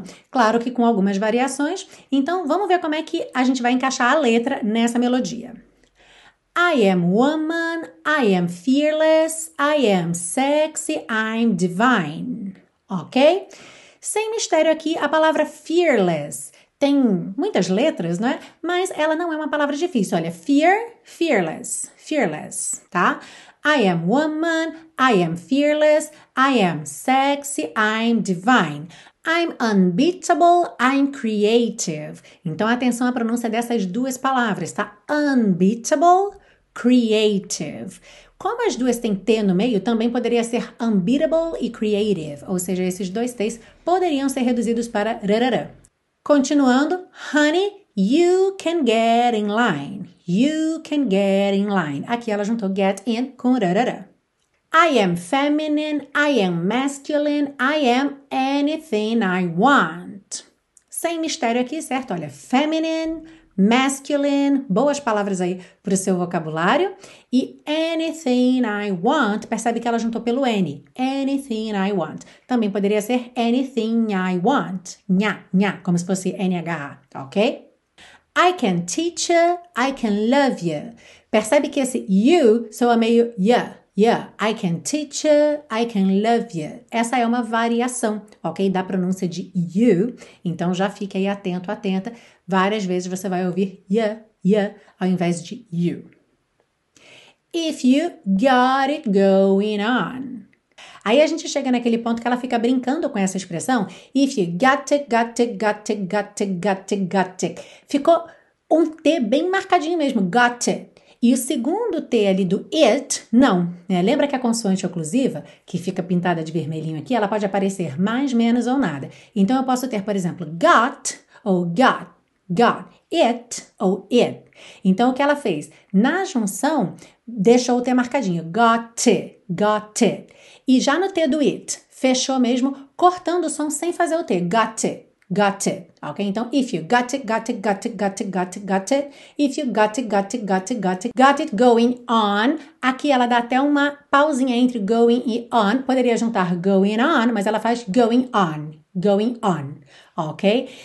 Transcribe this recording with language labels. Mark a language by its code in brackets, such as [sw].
[pt] Claro que com algumas variações. Então, vamos ver como é que a gente vai encaixar a letra nessa melodia. [en] I am woman, I am fearless, I am sexy, I'm divine. [pt] Ok? Sem mistério aqui, a palavra fearless tem muitas letras, não é? Mas ela não é uma palavra difícil. Olha, fear, fearless, fearless, tá? [en] I am woman, I am fearless, I am sexy, I'm divine, I'm unbeatable, I'm creative. [pt] Então, atenção à pronúncia dessas duas palavras, tá? Unbeatable, creative. Como as duas têm T no meio, também poderia ser unbeatable e creative. Ou seja, esses dois T's poderiam ser reduzidos para rarara. [en] Continuando, honey, you can get in line. You can get in line. [pt] Aqui ela juntou get in com rarara. [en] I am feminine, I am masculine, I am anything I want. [pt] Sem mistério aqui, certo? Olha, feminine, masculine, boas palavras aí para o seu vocabulário. E anything I want, percebe que ela juntou pelo N. [en] Anything I want. [pt] Também poderia ser [en] anything I want. [pt] Nha, nha, como se fosse NH, ok? [en] I can teach you, I can love you. [pt] Percebe que esse you soa meio yeah. [en] Yeah, I can teach you, I can love you. [pt] Essa é uma variação, ok? Da pronúncia de you. Então, já fique aí atento, atenta. Várias vezes você vai ouvir yeah, yeah, ao invés de you. [en] If you got it going on. [pt] Aí a gente chega naquele ponto que ela fica brincando com essa expressão. [en] If you got it, got it, got it, got it, got it, got it. [pt] Ficou um T bem marcadinho mesmo, got it. E o segundo T ali do it, não. Né? Lembra que a consoante oclusiva, que fica pintada de vermelhinho aqui, ela pode aparecer mais, menos ou nada. Então, eu posso ter, por exemplo, got ou got, got, it ou it. Então, o que ela fez? Na junção, deixou o T marcadinho. Got it, got it. E já no T do it, fechou mesmo, cortando o som sem fazer o T. [en] Got it. Got it, ok? Então, if you got it, got it, got it, got it, got it, got it, if you got it, got it, got it, got it, got it going on, [pt] aqui ela dá até uma pausinha entre going e on, poderia juntar going on, [en] mas ela faz going on, ok?